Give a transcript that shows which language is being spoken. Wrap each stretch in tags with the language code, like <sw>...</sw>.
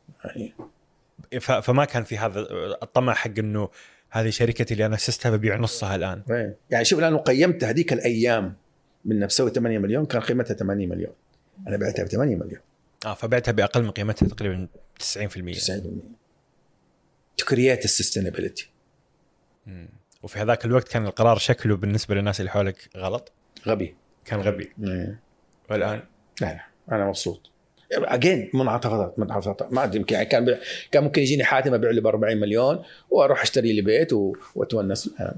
<ar>يعني فما كان في هذا الطمع حق إنه هذه شركتي اللي أنا أسستها ببيع نصها الآن. يعني شوف لأنه قيمت هذيك الأيام من نفسه 8 مليون كان قيمتها 8 مليون، أنا بعتها ب 8 مليون. فبعتها بأقل من قيمتها تقريبا 90%.</ar> <en>90% to create sustainability.</en> <ar>وفي هذاك الوقت كان القرار شكله بالنسبة للناس اللي حولك غلط، غبي، كان غبي. والآن لا أنا مبسوط. أجين منعطفات منعطفات، ما أدري يمكن يعني كان ممكن يجيني حاتم أبيع له بأربعين مليون وأروح أشتري لي بيت وأتونس.</ar>